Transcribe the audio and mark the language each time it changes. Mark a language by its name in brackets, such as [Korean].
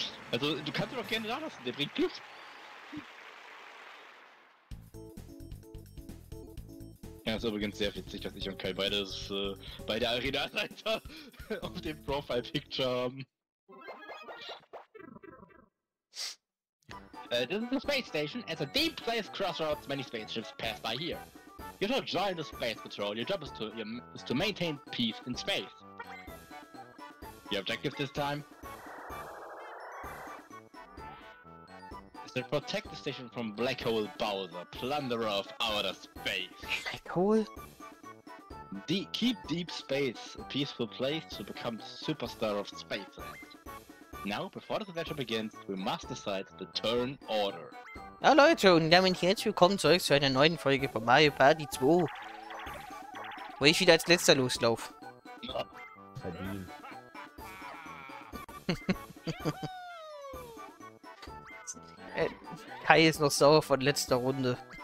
[German] Also, du kannst ihn doch gerne da lassen, der bringt Glück. Ja, ist übrigens sehr witzig, dass ich und Kai beides bei der Arena-Seite auf dem Profile-Picture haben. [English] This is the space station. As a deep space crossroads, many spaceships pass by here. You're not joining the space patrol. Your job is to maintain peace in space. Your objective this time is to protect the station from Black Hole Bowser, plunderer of outer space. Black Hole? Keep deep space a peaceful place to become superstar of space. Now, before the adventure begins, we must decide the turn order. [German] Ja, Leute, und damit herzlich willkommen zurück zu einer neuen Folge von Mario Party 2. Wo ich wieder als letzter loslauf. Verdient. Kai ist noch sauer von letzter Runde.